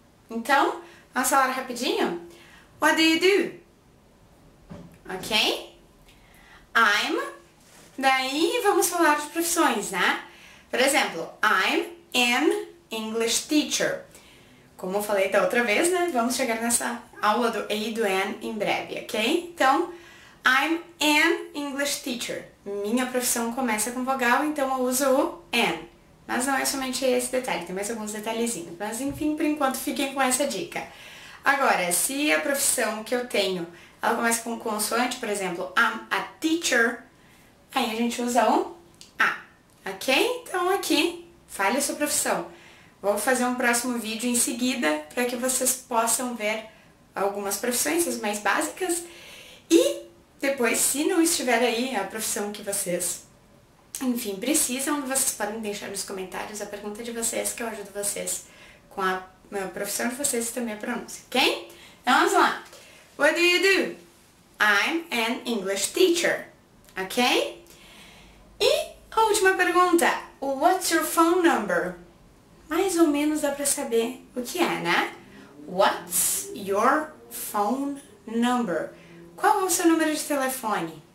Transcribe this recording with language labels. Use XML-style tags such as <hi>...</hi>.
<pt>Então, vamos falar rapidinho?</pt> <en>What do you do?</en> <pt>Ok? Daí vamos falar de profissões, né? Por exemplo,</pt> <en>I'm an English teacher.</en> <pt>Como eu falei da outra vez, né? Vamos chegar nessa aula do A e do an em breve, ok? Então,</pt> <en>I'm an English teacher.</en> <pt>Minha profissão começa com vogal, então eu uso o an. Mas não é somente esse detalhe, tem mais alguns detalhezinhos. Mas enfim, por enquanto, fiquem com essa dica. Agora, se a profissão que eu tenho, ela começa com consoante, por exemplo,</pt> <en>I'm a teacher,</en> <pt>aí a gente usa o a, ok? Então aqui, fale a sua profissão. Vou fazer um próximo vídeo em seguida, para que vocês possam ver algumas profissões, as mais básicas. E depois, se não estiver aí a profissão que vocês, enfim, precisam, vocês podem deixar nos comentários a pergunta de vocês, que eu ajudo vocês com a profissão de vocês e também a pronúncia, ok? Então, vamos lá.</pt> <en>What do you do? I'm an English teacher, ok?</en> <pt>E a última pergunta.</pt> <en>What's your phone number?</en> <pt>Mais ou menos dá pra saber o que é, né?</pt> <en>What's your phone number?</en> <pt>Qual é o seu número de telefone?</pt>